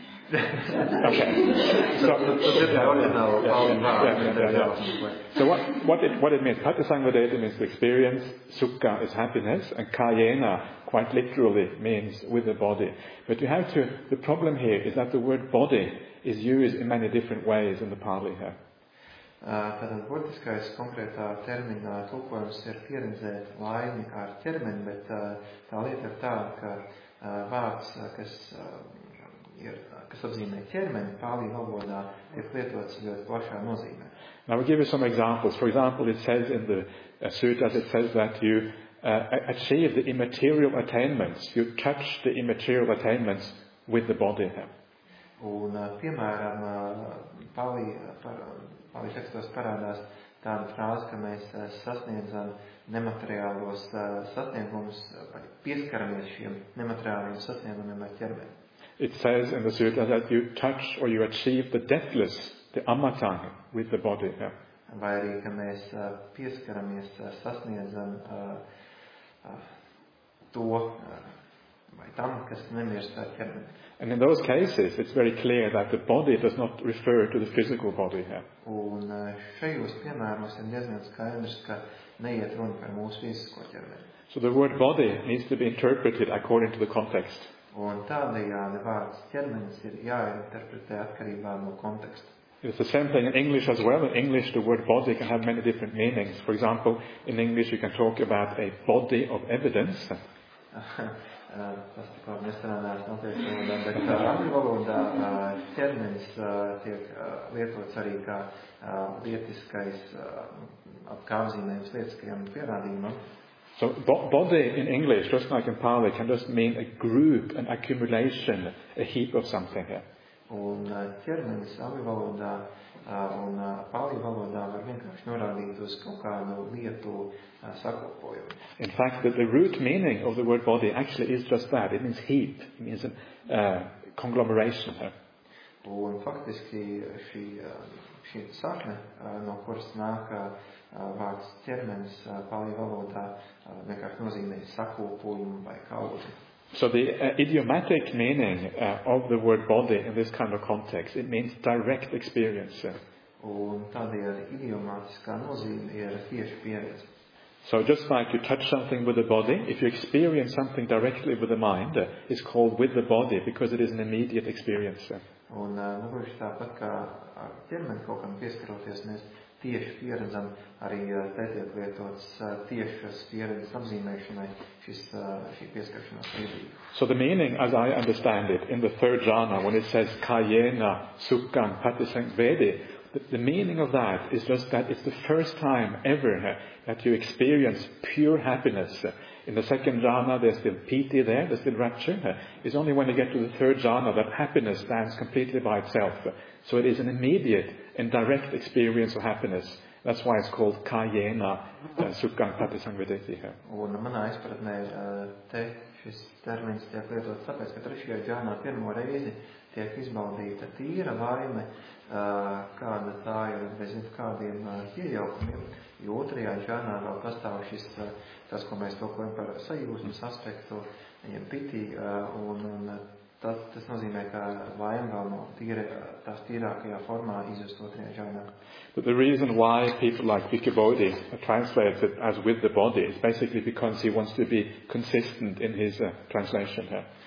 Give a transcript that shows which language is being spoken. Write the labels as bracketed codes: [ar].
[en] So what it means, patisangvadeti means to experience, sukha is happiness, and kayena quite literally means with the body. But you have to, the problem here is that the word body is used in many different ways in the Pali here. [lv] Tātad būtiskais konkrētā termina tulkojums ir pieredzēt laimi ar ķermeni, bet tā lieta ir tā, ka vārds, kas ir kas apzīmē ķermeni, Pāli valodā ir lietots ļoti plašā nozīmē. [en] Now we'll give you some examples. For example, it says in the sutras, it says that you achieve the immaterial attainments, you touch the immaterial attainments with the body. [lv] Un piemēram, Pāli tekstos parādās tāda frāze, ka mēs sasniedzam nemateriālos sasniegumus, pieskaramies šiem nemateriāliem sasniegumiem ar ķermeni. [en] It says in the sutra that you touch or you achieve the deathless, the amata, with the body. [lv] Vai arī, ka mēs pieskaramies, sasniedzam to, vai tam, kas nemirst ar ķermeni. [en] And in those cases, it's very clear that the body does not refer to the physical body. [lv] Un šajos piemēros ir diezgan skaidrs, ka neiet runa par mūsu fizisko ķermeni. [en] So the word body needs to be interpreted according to the context. [lv] Un tādējādi vārds ķermenis ir jāinterpretē atkarībā no konteksta. [en] It's the same thing in English as well. In English, the word body can have many different meanings. For example, in English, you can talk about a body of evidence. [lv] Tas tikai nestrādās noteikti, bet angļu valodā ķermenis tiek lietots arī kā lietiskais apkārzinējums lietiskajam pierādījumam. [en] So body in English, just like in Pali, can just mean a group, an accumulation, a heap of something. [lv] Un ķermenis angļu valodā un Pāli valodā var vienkārši norādīt uz kaut kādu lietu sakopojumu. [en] In fact, the root meaning of the word body actually is just that. It means heap. It means a conglomeration. [lv] Un faktiski šī, šī sakne, no kuras nāk vārds ķermenis Pāli valodā, vienkārši nozīmē sakopojumu vai kaudzi. [en] So the idiomatic meaning of the word body in this kind of context, it means direct experience. [lv] Un tādēļ idiomatiskā nozīme ir tieši pieredze. [en] So just like you touch something with the body, if you experience something directly with the mind, it's called with the body because it is an immediate experience. [lv] Un nobrīd tāpat kā ar ķermeni kaut kam pieskaroties, mēs tieši pieredzam arī tētiek lietots tiešas pieredzes apzīmēšanai šis, šī pieskaršanās līdzība. [en] So the meaning, as I understand it, in the third jhana, when it says kāyena, sukkan, patisankvedi, the meaning of that is just that it's the first time ever that you experience pure happiness. In the second jhana, there's still piti there, there's still rapture. It's only when you get to the third jhana that happiness stands completely by itself. So it is an immediate and direct experience of happiness. That's why it's called kāyena sukkan patisankvedeti. [lv] Un manā izpratnē te šis termins tiek lietots tāpēc, ka trešajā jhana pirmo reizi tiek izbaudīta tīra laime, kāda tā ir bez kādiem iejaukumiem. Jo otrajā jhana vēl pastāv šis, tas, ko mēs tulkojam par sajūsmas aspektu, viņam piti, un tas nozīmē, ka laime vēl no tās tīrākajā formā izvest otrajā jhana. [en] But the reason why people like Bhikkhu Bodhi translates it as with the body is basically because he wants to be consistent in his translation here.